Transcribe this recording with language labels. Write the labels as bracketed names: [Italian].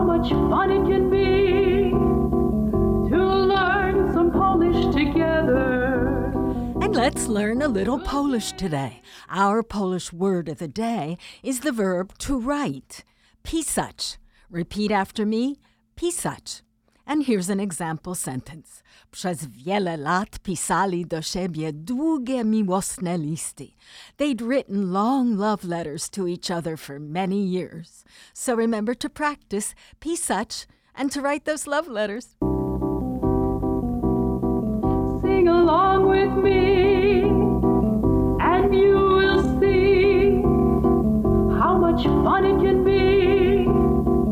[English] Fun it can be to learn some Polish together. And let's learn a little Polish today. Our Polish word of the day is the verb to write, pisać. Repeat after me, pisać. And here's an example sentence. [Polish] Przez wiele lat pisali do siebie długie miłosne listy. [English] They'd written long love letters to each other for many years. So remember to practice pisać and to write those love letters. Sing along with me and you will see how much fun it can be.